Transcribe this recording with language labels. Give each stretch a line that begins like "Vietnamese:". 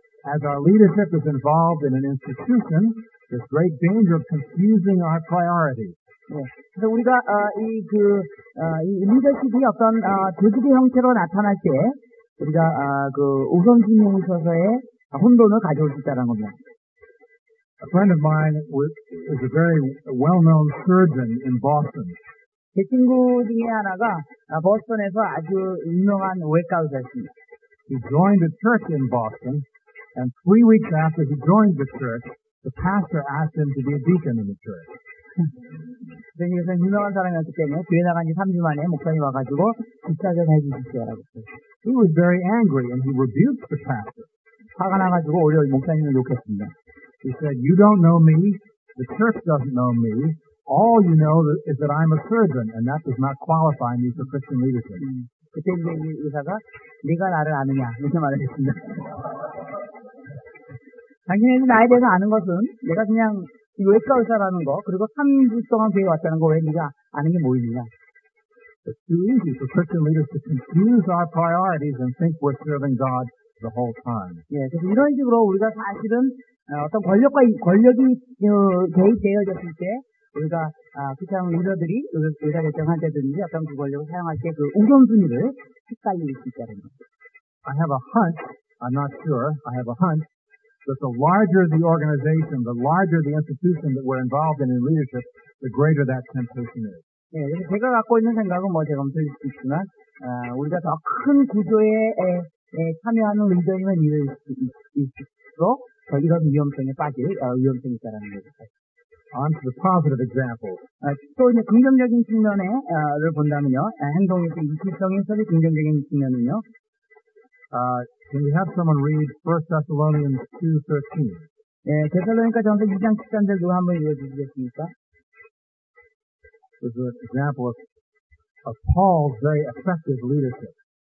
English: As our leadership is involved in an institution, there's great danger of confusing our priorities.
Korean: 그래서 우리가 이 리더십이 어떤 조직의 형태로 나타날 때 우리가 그 우선순위에 있어서의 혼돈을 가져올 수 있다는 겁니다.
English: A friend of mine is a very well-known surgeon in Boston.
Korean: 제 친구 중에 하나가 보스턴에서 아주 유명한 외과 의사였습니다.
English: He joined a church in Boston, and 3 weeks after he joined the church, the pastor asked him to be a deacon in the church.
Korean: 그래서 유명한 사람이었기 때문에 교회 나간 지 3주 만에 목사님 와가지고 집사전 해주시더라고.
English: He was very angry, and he rebuked the pastor.
Korean: 화가 나가지고 오히려 목사님을 욕했습니다.
English: He said, "You don't know me. The church doesn't know me. All you know is that I'm a surgeon, and that does not qualify me for Christian leadership."
Korean: 그때 이 의사가 네가 나를 아느냐 이렇게 말을 했습니다. 당신이 나에 대해서 아는 것은 내가 그냥 외과 의사라는 거 그리고 3주 동안 교회 왔다는 거 왜 네가 아는 게 뭐 있느냐?
English: It's too easy for Christian leaders to confuse our priorities and think we're serving God the whole time.
Korean: 예, 그래서 이런 식으로 우리가 사실은 어떤 권력과 권력이 대입되어졌을 때 우리가 그냥 리더들이 의사 결정할 때든지 어떤 그 권력을 사용할 때 그 우선순위를 헷갈릴 수 있다는 겁니다.
English: I have a hunch. I'm not sure. I have a hunch that the larger the organization, the larger the institution that we're involved in leadership, the greater that temptation is.
Korean: 네, 제가 갖고 있는 생각은 뭐 제가 들을 수 있지만 우리가 더 큰 구조에 참여하는 리더이면 이럴수록 이런 위험성에 빠질 위험성이 있다는 거죠.
English: On to the positive example.
Korean: 또 이제 긍정적인 측면을 본다면요. 행동에서 이기성에서의 긍정적인 측면은요.
English: Can we have someone read 1 Thessalonians 2:13?
Korean: 예, 데살로니가 전서 2장 13절 누가 한번 읽어주시겠습니까?
English: This is an example of Paul's very effective leadership.